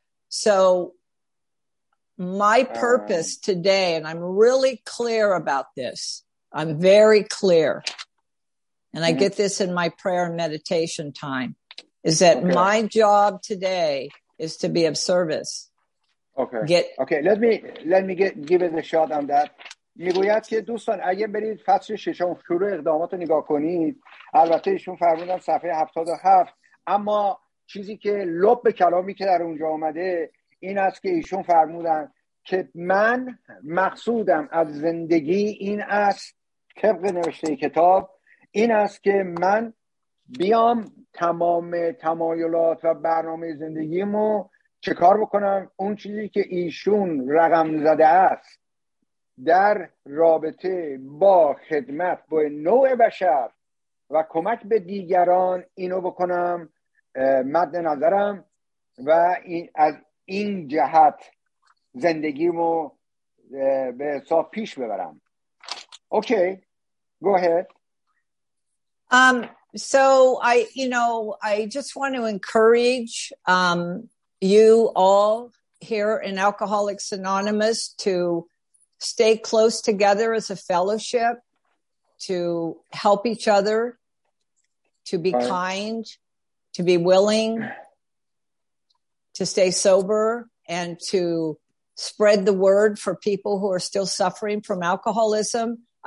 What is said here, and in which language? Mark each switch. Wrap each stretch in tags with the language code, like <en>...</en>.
<en>So my purpose today, and I'm really clear about this, I'm very clear, and I get this in my prayer and meditation time, is that my job today is to be of service. Let me give it a shot on that.</en> <fa>میگوید که دوستان اگه برید فصل ششم شروع اقدامات رو نگاه کنید، البته ایشون فرمودن صفحه 77، اما چیزی که لب به کلامی که در اونجا اومده این است که ایشون فرمودن که من مقصودم از زندگی این است، طبق نوشته کتاب این است که من بیام تمام تمایلات و برنامه زندگیمو چه کار بکنم، اون چیزی که ایشون رقم زده است در رابطه با خدمت با نوع بشر و کمک به دیگران، اینو بکنم مد نظرم و این از این جهت زندگیمو به حساب پیش ببرم.</fa> <en>Okay, go ahead. So I just want to encourage you all here in Alcoholics Anonymous to stay close together as a fellowship, to help each other, to be kind, to be willing, to stay sober, and to spread the word for people who are still suffering from alcoholism.</en>